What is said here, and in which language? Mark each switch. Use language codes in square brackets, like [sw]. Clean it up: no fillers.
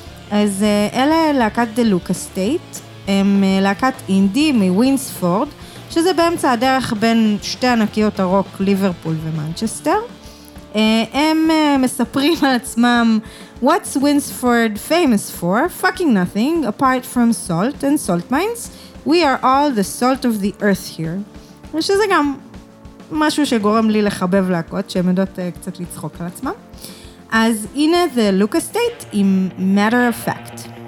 [he] אז אלה להקת דה לוקה סטייט, הם להקת אינדי מווינספורד, שזה באמצע הדרך בין שתי ענקיות הרוק, ליברפול ומנצ'סטר. הם מספרים על עצמם, [en] What's Winsford famous for? Fucking nothing, apart from salt and salt mines. We are all the salt of the earth here. [he] ושזה גם משהו שגורם לי לחבב להקות, שהם יודעות קצת לצחוק על עצמם. אז הנה The Lucas State עם Matter of Fact.